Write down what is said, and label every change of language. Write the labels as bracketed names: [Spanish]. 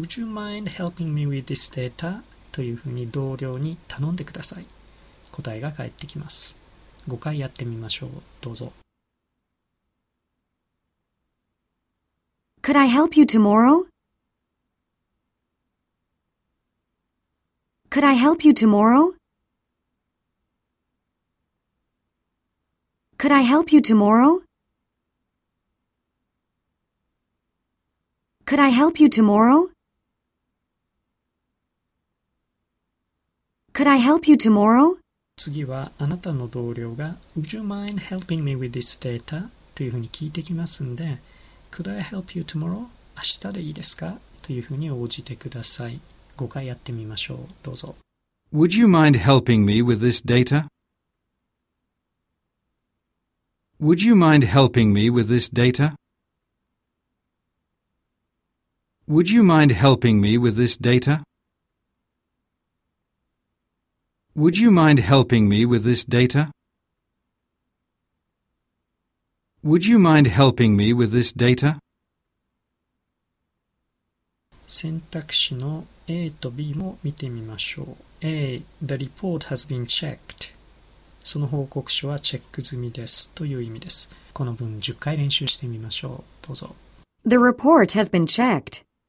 [English] Would you mind helping me with this data? [Japanese] というふうに同僚に頼んでください。答えが返ってきます。5回やってみましょう。どうぞ。 [English] Could I help you tomorrow? Could I help you tomorrow? Could I help you tomorrow? Could I help you tomorrow? Could I help you tomorrow? [Japanese] 次はあなたの同僚が [English] Would you mind helping me with this data? [Japanese] というふうに聞いてきますんで [English] Could I help you tomorrow? [Japanese] 明日でいいですか? というふうに応じてください。 5回やってみましょう。どうぞ。 [English] Would you mind helping me with this data? Would you mind helping me with this data? Would you mind helping me with this data? Would you mind helping me with this data? Would you mind helping me with this data? [Japanese] 選択肢の A と B も見てみましょう。 [English] A, the report has been checked. [Japanese] その報告書はチェック済みですという意味です。この文10回練習してみましょう。どうぞ。 [English] The report has been checked.